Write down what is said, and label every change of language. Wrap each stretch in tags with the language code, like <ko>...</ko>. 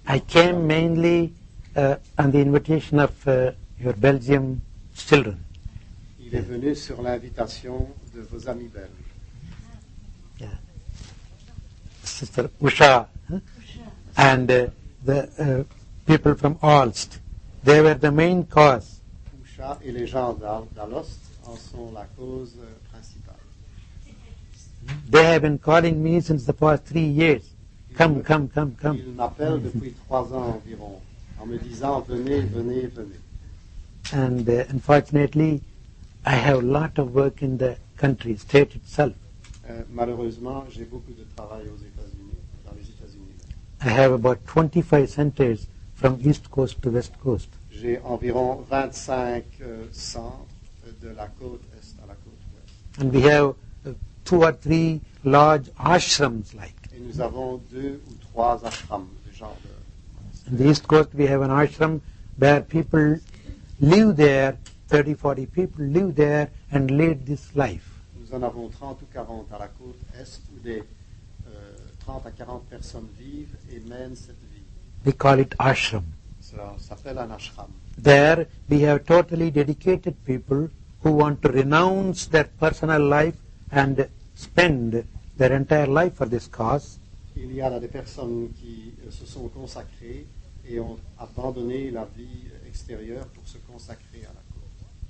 <en>I came mainly on the invitation of your Belgium children.</en> <fr>Il est venu sur l'invitation de vos amis belges.</fr> <en>Yeah. Sister Usha, huh? And people from Aalst. They were the main cause.</en> <fr>Usha et les gens d'Aalst en sont la cause.</fr> <en>They have been calling me since the past 3 years. Come.</en> <fr>Ils m'appellent depuis 3 ans environ, en me disant, venez.</fr> <en>And unfortunately, I have a lot of work in the country, state itself.</en> <fr>Malheureusement, j'ai beaucoup de travail aux États-Unis, dans les États-Unis.</fr> <en>I have about 25 centers from East Coast to West Coast.</en> <fr>J'ai environ 25 centres de la côte Est à la côte Ouest.</fr> <en>And we have 2 or 3 large ashrams like.</en> <fr>Et nous avons 2 ou 3 ashrams, du genre de.</fr> <en>In the East Coast, we have an ashram where people live there, 30, 40 people live there and lead this life.</en> <fr>Nous en avons 30 ou 40 à la côte Est où des 30 à 40 personnes vivent et mènent cette vie.</fr> <en>We call it ashram.</en> <fr>Ça s'appelle un ashram.</fr> <en>There, we have totally dedicated people. who want to renounce their personal life and spend their entire life for this cause.</en> <fr>Il y a là des personnes qui se sont consacrées et ont abandonné la vie extérieure pour se consacrer à la cause.</fr>